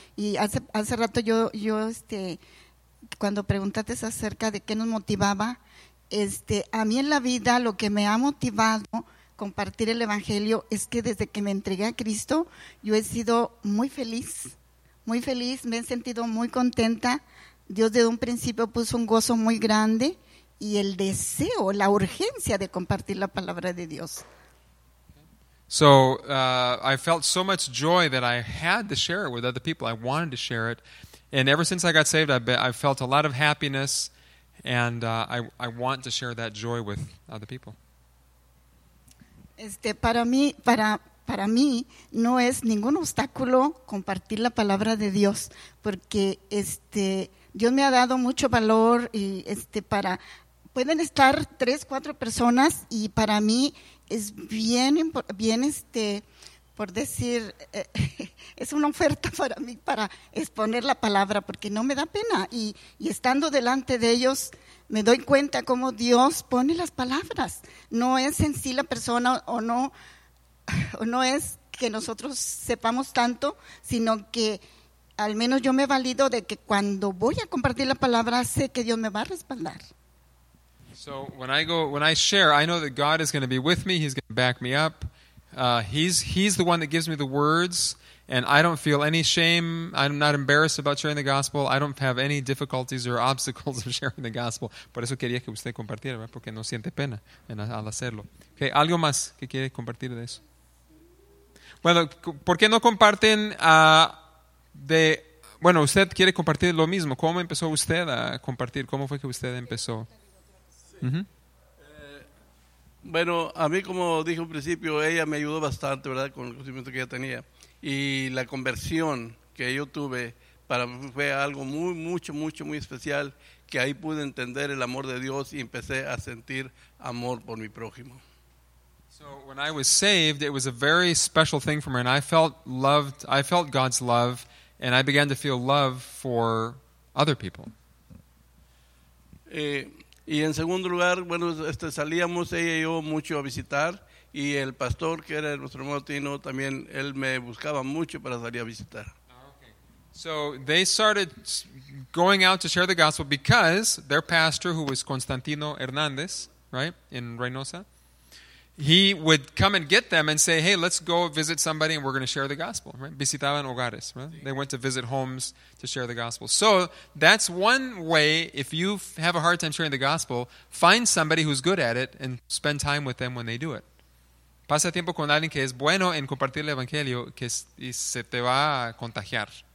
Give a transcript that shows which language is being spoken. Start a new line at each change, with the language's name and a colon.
Spanish: Y hace rato yo cuando preguntaste acerca de qué nos motivaba, a mí en la vida lo que me ha motivado compartir el evangelio es que desde que me entregué a Cristo yo he sido muy feliz, me he sentido muy contenta. Dios desde un principio puso un gozo muy grande y el deseo, la urgencia de compartir la palabra de Dios.
English: So I felt so much joy that I had to share it with other people. I wanted to share it. And ever since I got saved, I've felt a lot of happiness. And I want to share that joy with other people.
Spanish: Para mí, no es ningún obstáculo compartir la palabra de Dios. Porque Dios me ha dado mucho valor. Y pueden estar 3-4 personas. Y para mí... es bien por decir, es una oferta para mí para exponer la palabra porque no me da pena y estando delante de ellos me doy cuenta cómo Dios pone las palabras. No es en sí la persona o no es que nosotros sepamos tanto, sino que al menos yo me valido de que cuando voy a compartir la palabra sé que Dios me va a respaldar. So when I go, when I share, I know that God is going to be with me. He's going to back me up. He's the one that gives me the words, and I don't feel any shame. I'm not embarrassed about sharing the gospel. I don't have any difficulties or obstacles of sharing the gospel. Por eso quería que usted compartiera, ¿verdad? Porque no siente pena en, al hacerlo. Okay, ¿algo más que quiere compartir de eso? Bueno, ¿por qué no comparten de... Bueno, usted quiere compartir lo mismo. ¿Cómo empezó usted a compartir? ¿Cómo fue que usted empezó? Bueno, a mí, como dije al principio, ella me ayudó bastante, ¿verdad?, con el conocimiento que ella tenía. Y la conversión que yo tuve para mí fue algo muy, mucho, mucho, muy especial, que ahí pude entender el amor de Dios y empecé a sentir amor por mi prójimo.
English: So when I was saved, it was a very special thing for me, and I felt loved, I felt God's love, and I began to feel love for other people.
Spanish: Y en segundo lugar, bueno, salíamos ella y yo mucho a visitar, y el pastor, que era nuestro hermano Tino, también él me buscaba mucho para salir a visitar. Oh, okay.
English: So they started going out to share the gospel because their pastor, who was Constantino Hernández, right, in Reynosa, he would come and get them and say, hey, let's go visit somebody and we're going to share the gospel. Right?
Spanish: Visitaban hogares.
English: Right? They went to visit homes to share the gospel. So that's one way, if you have a hard time sharing the gospel, find somebody who's good at it and spend time with them when they do it.
Spanish: Pasa tiempo con alguien que es bueno en compartir el evangelio que es, y se te va a contagiar.